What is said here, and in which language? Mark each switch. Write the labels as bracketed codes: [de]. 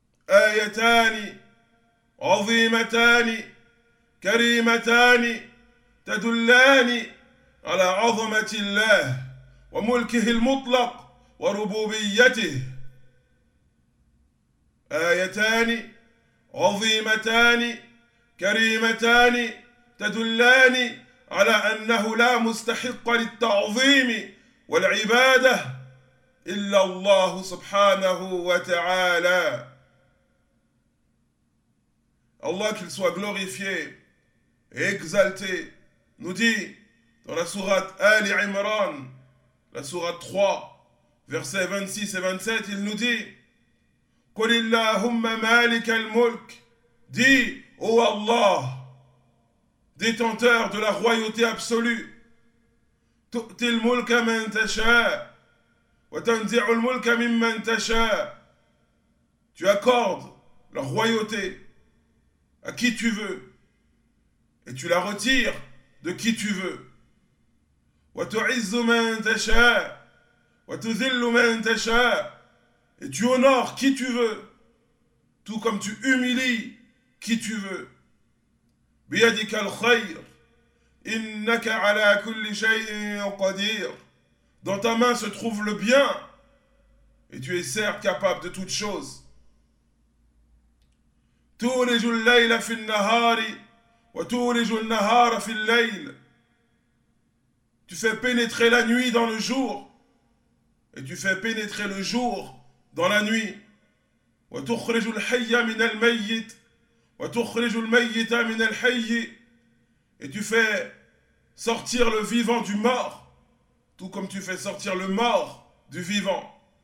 [ar] آيتان عظيمتان كريمتان تدلان على عظمة الله وملكه المطلق وربوبيته آيتان عظيمتان كريمتان تدلان على أنه لا مستحق للتعظيم والعبادة إلا الله سبحانه وتعالى. [fr] Allah, qu'il soit glorifié et exalté, nous dit dans la sourate Ali Imran, la sourate 3, versets 26 et 27, il nous dit: [ar] قل اللهم مالك الملك, [fr] dis, ô Allah, détenteur de la royauté absolue. [ar] تؤتي الملك من تشاء وتنزع الملك ممن تشاء. [fr] Tu accordes la royauté à qui tu veux et tu la retires de qui tu veux. [ar] وتعز من تشاء وتذل من تشاء. [fr] Et tu honores qui tu veux, tout comme tu humilies qui tu veux. [ar] بيدك الخير إنك على كل شيء قدير. [fr] Dans ta main se trouve le bien et tu es certes capable de toute chose. [ar] تولج الليل في النهار وتولج النهار في الليل. [fr] Tu fais pénétrer la nuit dans le jour et tu fais pénétrer le jour dans la nuit. [ar] وتخرج الحي من الميت وتخرج الميت من الحي. [fr] Et tu fais sortir le vivant du mort, tout comme tu fais sortir le mort du vivant.